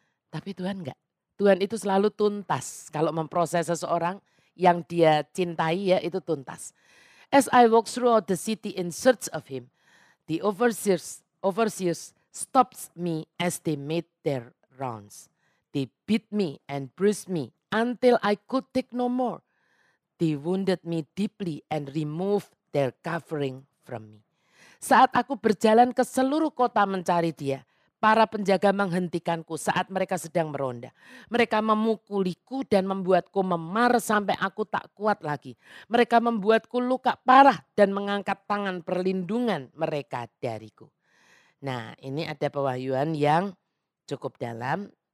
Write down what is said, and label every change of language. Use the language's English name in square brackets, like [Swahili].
[Indonesian] Tapi Tuhan enggak, Tuhan itu selalu tuntas. Kalau memproses seseorang yang dia cintai ya itu tuntas. [English] As I walk throughout the city in search of him, the overseers stops me as they made their rounds. They beat me and bruise me. Until I could take no more. They wounded me deeply and removed their covering from me. [Indonesian] Saat aku berjalan ke seluruh kota mencari dia, Para penjaga menghentikanku saat mereka sedang meronda. Mereka memukuliku dan membuatku memar sampai aku tak kuat lagi. Mereka membuatku luka parah dan mengangkat tangan perlindungan mereka dariku. Nah, ini ada pewahyuan yang cukup dalam.